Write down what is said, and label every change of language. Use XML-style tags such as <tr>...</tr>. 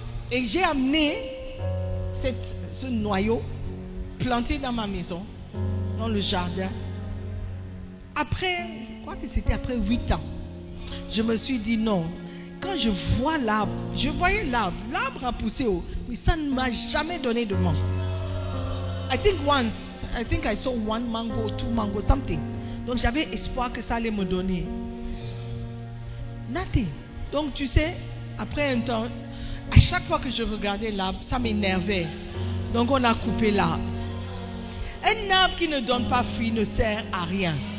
<fr>Et j'ai amené ce noyau planté dans ma maison, dans le jardin. Après, je crois que c'était après 8 ans, je me suis dit non. Quand je vois l'arbre, je voyais l'arbre. L'arbre a poussé haut, mais ça ne m'a jamais donné de manque.</fr> <en>I think I saw one mango, two mango, something.</en> <fr>Donc j'avais espoir que ça allait me donner. Nothing. Donc tu sais, après un temps, à chaque fois que je regardais l'arbre, ça m'énervait. Donc on a coupé l'arbre. Un arbre qui ne donne pas fruit ne sert à rien.</fr>